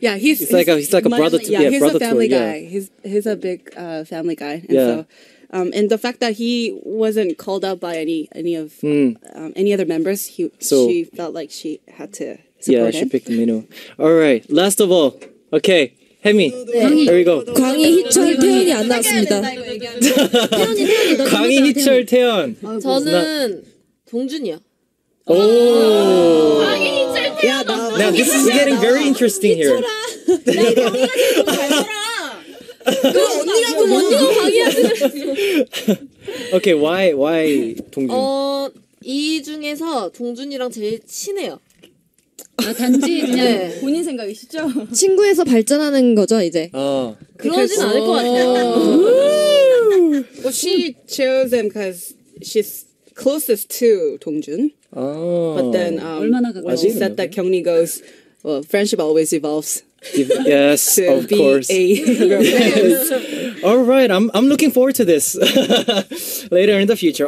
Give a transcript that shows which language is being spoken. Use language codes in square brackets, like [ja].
[en] Yeah, he's like a brother to me. Yeah, he's a family guy. He's a big family guy. And and the fact that he wasn't called out by any other members, she felt like she had to support him. She picked Minho. All right, last of all, okay. 혜미, here we go. [ko] 광희, 희철, 태연이 안 나왔습니다. 광희, 희철, 태연. 저는 동준이요. 오. 광희, 희철, 태연. [en] Now this is getting very interesting here. [ko] 희철아. 야, 언니가 좀 먼저 광희한테. [en] Okay, why 동준? [ko] 이 중에서 동준이랑 제일 친해요. 아, 단지 그냥 본인 생각이시죠? 친구에서 발전하는 거죠, 이제. 그러진 않을 것 같아요. [en] Well, she chose him because she's closest to 동준. But then, when she said that 경리 goes, well, friendship always evolves. Yes, of course. All right, I'm looking forward to this later in the future.